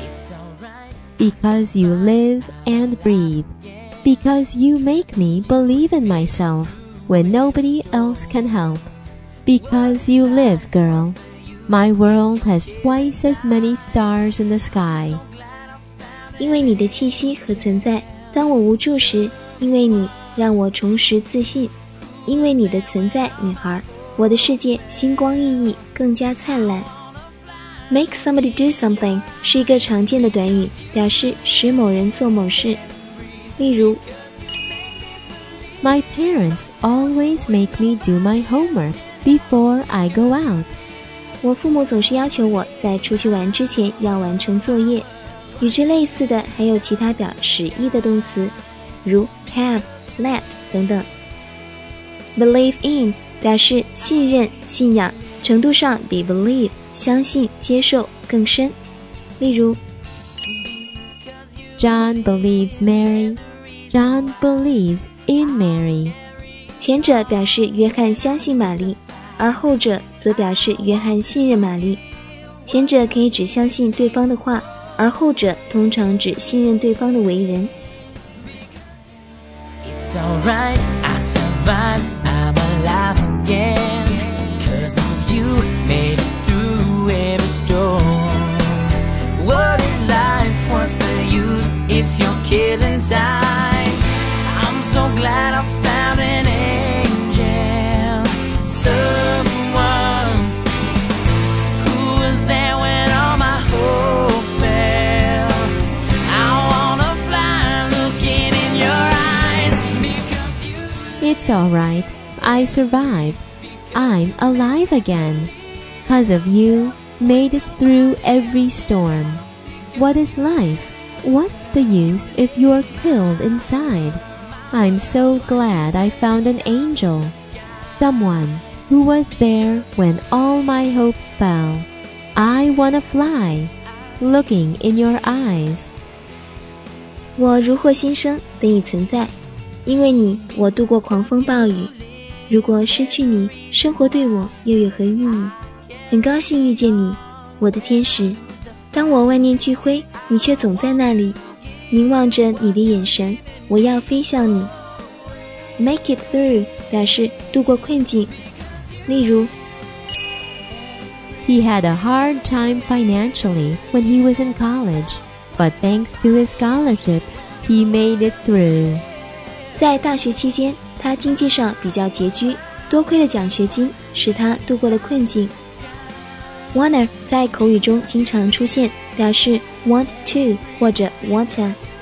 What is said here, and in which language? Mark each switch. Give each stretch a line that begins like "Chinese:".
English: It's alright. Because you live and breathe. Because you make me believe in myself when nobody else can help. Because you live, girl, my world has twice as many stars in the sky.
Chinese: 因为你的气息和存在，当我无助时，因为你让我重拾自信。因为你的存在，女孩，我的世界星光熠熠，更加灿烂。
English: Make somebody do something
Chinese: 是一个常见的短语，表示使某人做某事。例如
English: My parents always make me do my homework before I go out.
Chinese: 我父母总是要求我在出去玩之前要完成作业。与之类似的还有其他表示意的动词，如 have, let 等等。 Believe in 表示信任、信仰，程度上比 believe 相信、接受更深。例如
English: John believes Mary. John believes in Mary.
Chinese: 前者表示约翰相信玛丽，而后者则表示约翰信任玛丽。前者可以指相信对方的话，而后者通常指信任对方的为人。
English: It's alright, I survived, I'm alive again. Cause of you, made it through every storm. What is life, what's the use? If you're killing time, I'm so glad I found an angel. Someone who was there when all my hopes fell. I wanna fly looking in your eyes. Because you. It's alright, I survived. I'm alive again. Cause of you, made it through every storm. What is life? What's the use if you're killed inside? I'm so glad I found an angel. Someone who was there when all my hopes fell. I wanna fly, looking in your eyes.
Chinese: 我如获新生得以存在，因为你我度过狂风暴雨。如果失去你，生活对我又有何意义？很高兴遇见你，我的天使。当我万念俱灰，你却总在那里，凝望着你的眼神，我要飞向你。
English: Make it through
Chinese: 表示度过困境。例如
English: He had a hard time financially when he was in college, but thanks to his scholarship, he made it through.
Chinese: 在大学期间，他经济上比较拮据，多亏了奖学金，使他度过了困境。 Wanna 在口语中经常出现，表示 want to 或者 wanta。